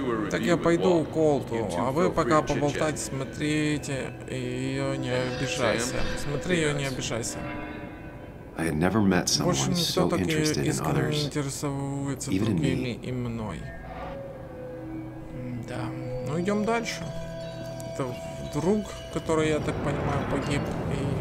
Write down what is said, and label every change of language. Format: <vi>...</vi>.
<ru>Так я пойду к Колту, а вы пока поболтайте, смотрите ее, не обижайся. Смотри ее, не обижайся.</ru> <en>I had never met someone so interested in others, even in me.</en> <ru>И мной. Да. Ну, идем дальше. Это друг, который, я так понимаю, погиб, и...</ru>